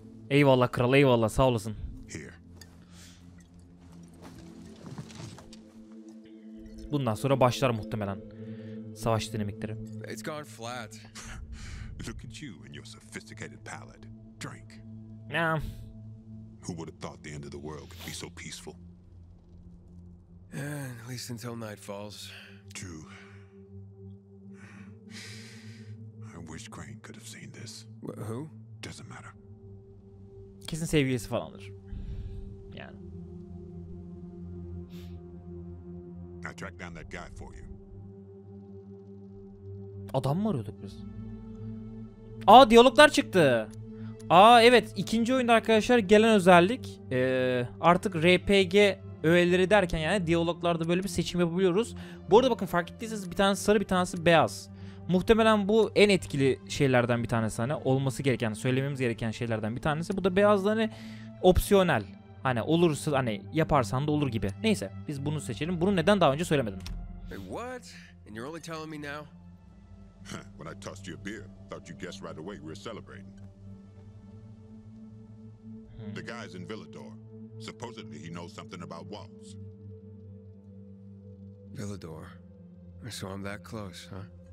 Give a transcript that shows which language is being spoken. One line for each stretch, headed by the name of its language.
Turkish: Eyvallah kral, eyvallah, sağ olasın. Bundan sonra başlar muhtemelen savaş dinamikleri.
English: It's gone flat. Look at you and your sophisticated palate. Drink. Nah. Who would have thought the end of the world could be so peaceful? Yeah, at least until night falls. True. I wish Crane could have seen this. Who? Doesn't matter.
Turkish: Kesin sevgilisi falandır. Yani.
English: I tracked down that guy for you.
Turkish: Adam mı arıyorduk biz? Aa diyaloglar çıktı. Aa evet, ikinci oyunda arkadaşlar gelen özellik artık RPG öğeleri derken yani diyaloglarda böyle bir seçim yapabiliyoruz. Bu arada bakın fark ettiyseniz bir tanesi sarı, bir tanesi beyaz. Muhtemelen bu en etkili şeylerden bir tanesi, hani olması gereken, söylememiz gereken şeylerden bir tanesi. Bu da beyazları opsiyonel. Hani olursa, hani yaparsan da olur gibi. Neyse biz bunu seçelim. Bunu neden daha önce söylemedim?
English: Hey, what? And you're only telling me now? When I tossed you a beer, thought you guessed right away we were celebrating. The guy's in Villador. Supposedly he knows something about walls. Villador. So I'm that close, huh?